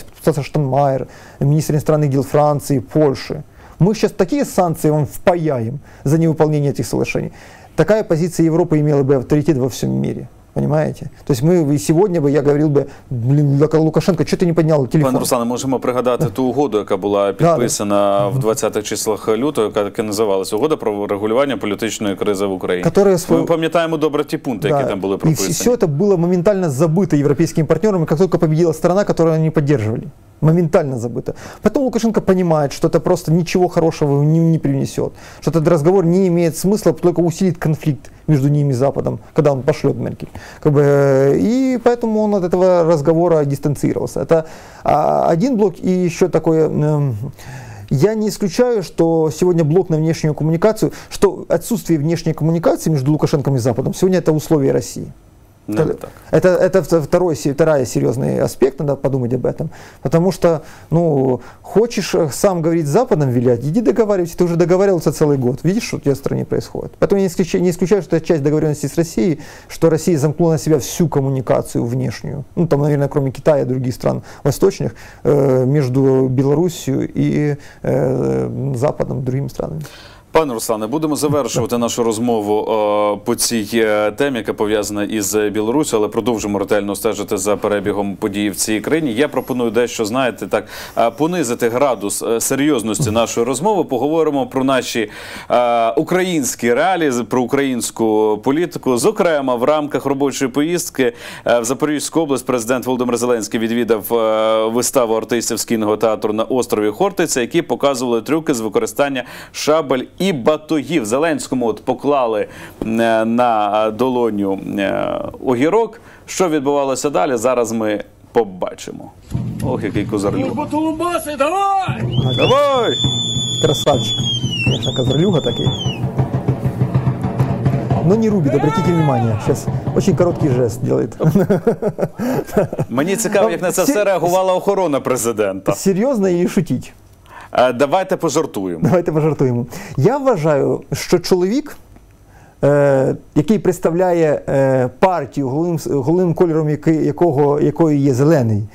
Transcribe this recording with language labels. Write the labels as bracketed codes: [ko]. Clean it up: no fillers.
[ru] Подписался Штайнмайер, министр иностранных дел Франции, Польши. Мы сейчас такие санкции вам впаяем за невыполнение этих соглашений. Такая позиция Европы имела бы авторитет во всем мире. Понимаете? То есть я говорил бы, Лукашенко, что ты не поднял телефон? [uk] Пане Руслане, можемо пригадати ту угоду, яка була підписана в 20-х числах лютого, яка так і називалася, угода про регулювання політичної кризи в Україні. Ми пам'ятаємо добре ті пункти, які там були прописані. І все це було моментально забито європейськими партнерами, як тільки [ru] победила страна, [uk] яку вони підтримували. [ru] Моментально забыто. Потом Лукашенко понимает, что это просто ничего хорошего не принесет. Что этот разговор не имеет смысла, только усилит конфликт между ними и Западом, когда он пошлет Меркель. И поэтому он от этого разговора дистанцировался. Это один блок и еще такое... Я не исключаю, что сегодня блок на внешнюю коммуникацию, что отсутствие внешней коммуникации между Лукашенко и Западом сегодня это условие России. Это второй серьезный аспект, надо подумать об этом. Потому что, ну, хочешь сам говорить с Западом вилять, иди договаривайся, ты уже договаривался целый год. Видишь, что у тебя в стране происходит. Поэтому я не исключаю, что это часть договоренности с Россией, что Россия замкнула на себя всю коммуникацию внешнюю. Ну, там, наверное, кроме Китая и других стран восточных, между Белоруссией и Западом, другими странами. [uk] Пане Руслане, будемо завершувати нашу розмову по цій темі, яка пов'язана із Білорусі, але продовжимо ретельно стежити за перебігом подій в цій країні. Я пропоную дещо, знаєте, так понизити градус серйозності нашої розмови. Поговоримо про наші українські реалії, про українську політику. Зокрема, в рамках робочої поїздки в Запорізьку область президент Володимир Зеленський відвідав виставу артистів Скійного театру на острові Хортиця, які показували трюки з використання шабель і батогів. Зеленському от поклали на долоню огірок. Що відбувалося далі, зараз ми побачимо. Ох, який козарлюга. Ну, батолубаси, давай! Давай! [ru] Красавчик. Конечно, козарлюга такий. Но не рубит, обратите внимание, сейчас очень короткий жест делает. [uk] Мені цікаво, як на це все реагувала охорона президента. Серйозно і шутить. Давайте пожартуємо. Я вважаю, що чоловік, який представляє партію, головним кольором якої є зелений,